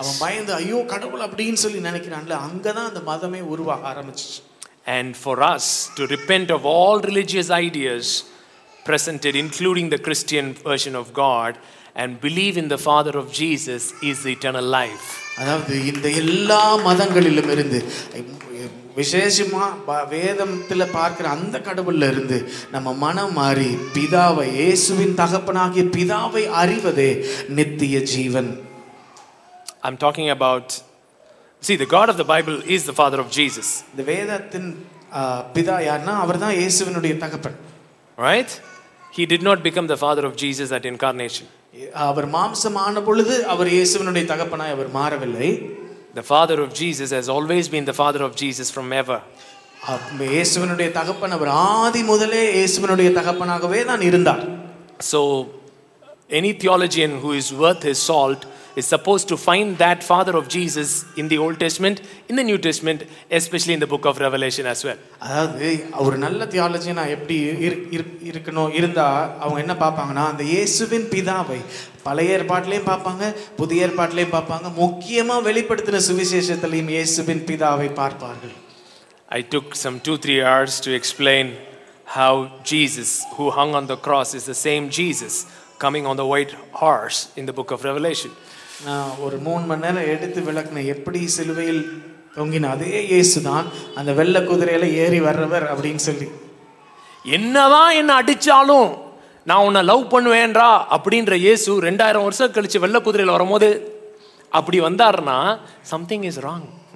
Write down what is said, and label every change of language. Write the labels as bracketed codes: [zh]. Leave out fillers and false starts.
[ta] அவன் பயந்து ஐயோ கடவுள் அப்படின்னு சொல்லி நினைக்கிறான்ல, அங்கதான் அந்த மதமே உருவாக ஆரம்பிச்சு. [en] And for us to repent of all religious ideas presented, including the Christian version of God, and believe in the Father of Jesus is the eternal life. [ta] அதாவது இந்த எல்லா மதங்களிலும் இருந்து விசேஷமா வேதத்தில் பார்க்கிற அந்த கடவுள்ல இருந்து நம்ம மனம் மாறி பிதாவை, இயேசுவின் தகப்பனாகிய பிதாவை அறிவதே நித்திய ஜீவன். [en] I'm talking about, see, the God of the Bible is the Father of Jesus. [ta] இந்த வேதத்தின் பிதா யாருன்னா அவர்தான் இயேசுவினுடைய தகப்பன். [en] Right? He did not become the Father of Jesus at incarnation. [ta] அவர் மாம்சமான பொழுது அவர் இயேசுவினுடைய தகப்பனாய் அவர் மாறவில்லை. [en] The Father of Jesus has always been the Father of Jesus from ever. [ta] அப்பே இயேசுவினுடைய தகப்பன் அவர் ஆதி முதலே இயேசுவினுடைய தகப்பனாகவே தான் இருந்தார். [en] So any theologian who is worth his salt is supposed to find that Father of Jesus in the Old Testament, in the New Testament, especially in the book of Revelation as well. [ta] அதாவது ஒரு நல்ல தியாலஜினா எப்படி இருக்கணும், இருந்தா அவங்க என்ன பார்ப்பாங்கன்னா, அந்த இயேசுவின் பிதாவை பழைய ஏற்பாட்டிலையும் பார்ப்பாங்க, புதிய ஏற்பாட்டிலையும் பார்ப்பாங்க, முக்கியமா வெளிப்படுத்தின சுவிசேஷத்திலையும் இயேசுவின் பிதாவை பார்ப்பார்கள். [en] I took some 2-3 hours to explain how Jesus, who hung on the cross, is the same Jesus coming on the white horse in the book of Revelation. [ta] ஒரு 3 மணி நேரம் எடுத்து விளக்குன எப்படி சிலுவையில் தொங்கின அதே இயேசுதான் அந்த வெள்ள குதிரையில ஏறி வர்றவர் அப்படின்னு சொல்லி. என்னதான் என்ன அடிச்சாலும் நான் உன்னை லவ் பண்ணுவேன்றா அப்படின்ற இயேசு 2000 வருஷம் கழிச்சு வெள்ள குதிரையில வரும்போது அப்படி வந்தார்னா, [en] Something is wrong.